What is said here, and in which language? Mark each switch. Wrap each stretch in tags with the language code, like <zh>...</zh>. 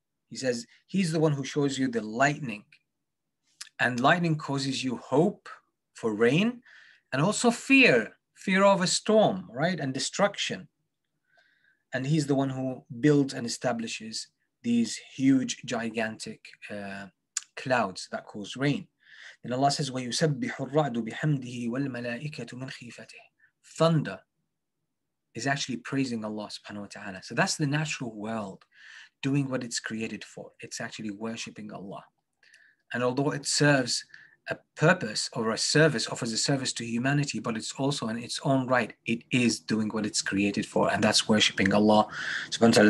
<en>He says, He's the one who shows you the lightning. And lightning causes you hope for rain, and also fear of a storm, right? And destruction. And He's the one who builds and establishes these huge, gigantic clouds that cause rain. Then Allah says,</en> <ar>وَيُسَبِّحُ الرَّعْدُ بِحَمْدِهِ وَالْمَلَائِكَةُ مِنْ خِيفَتِهِ.</ar> <en>Thunder is actually praising Allah subhanahu wa ta'ala. So that's the natural world doing what it's created for. It's actually worshipping Allah. And although it serves a purpose or a service, offers a service to humanity, but it's also in its own right, it is doing what it's created for, and that's worshipping Allah subhanahu wa ta'ala.</en>